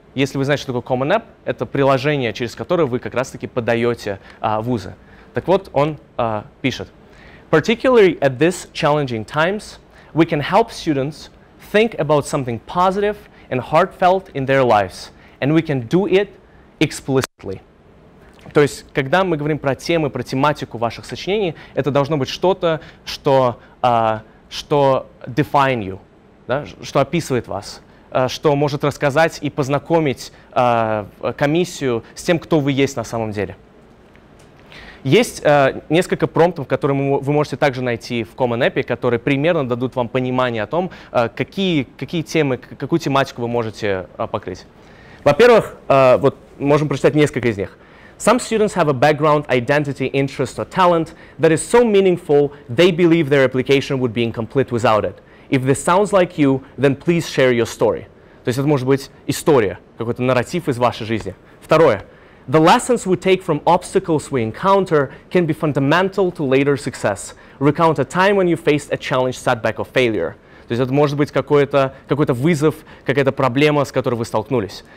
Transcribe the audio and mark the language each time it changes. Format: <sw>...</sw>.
<ru>Если вы знаете, что такое Common App, это приложение, через которое вы как раз-таки подаете вузы. Так вот, он пишет.</ru> <en>Particularly at this challenging times, we can help students think about something positive and heartfelt in their lives, and we can do it explicitly.</en> <ru>То есть, когда мы говорим про темы, про тематику ваших сочинений, это должно быть что-то, что, что</ru> <en>define you,</en> <ru>да? Что описывает вас, что может рассказать и познакомить комиссию с тем, кто вы есть на самом деле. Есть несколько промптов, которые вы можете также найти в Common API, которые примерно дадут вам понимание о том, какие темы, какую тематику вы можете покрыть. Во-первых, вот можем прочитать несколько из них.</ru> <en>Some students have a background, identity, interest or talent that is so meaningful they believe their application would be incomplete without it. If this sounds like you, then please share your story.</en> <ru>То есть это может быть история, какой-то нарратив из вашей жизни. Второе.</ru> <en>The lessons we take from obstacles we encounter can be fundamental to later success. Recount a time when you faced a challenge, setback or failure.</en> <ru>То есть это может быть какой-то вызов, какая-то проблема, с которой вы столкнулись.</ru>